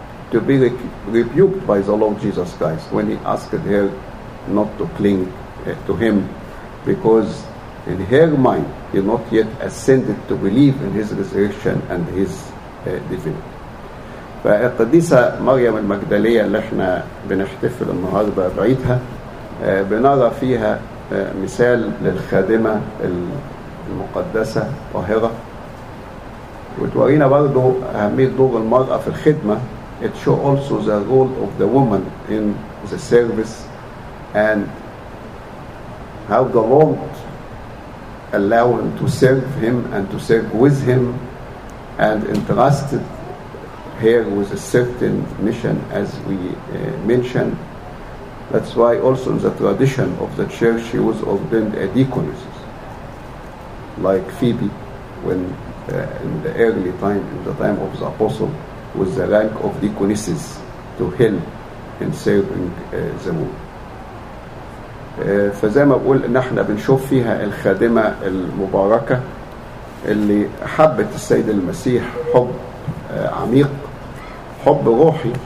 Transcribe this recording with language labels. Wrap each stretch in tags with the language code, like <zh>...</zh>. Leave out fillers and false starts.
<en>to be rebuked by the Lord Jesus Christ when he asked her not to cling to him, because in her mind he not yet ascended to believe in his resurrection and his divinity.</en> <ar>فالقديسة مريم المجدلية اللي احنا بنحتفل النهاردة بعيدها بنرى فيها مثال للخادمة المقدسة طاهرة, وتورينا برضو أهمية دور المرأة في الخدمة.</ar> <en>It shows also the role of the woman in the service and how the Lord allowed him to serve him and to serve with him and entrusted here with a certain mission, as we mentioned. That's why also in the tradition of the church she was ordained a deaconess, like Phoebe, when in the early time, in the time of the apostle, with the rank of deaconesses to help in serving the world.</en> <ar>فزي ما بقول ان احنا بنشوف فيها الخادمة المباركة اللي حبت السيد المسيح حب عميق, حب روحي.</ar>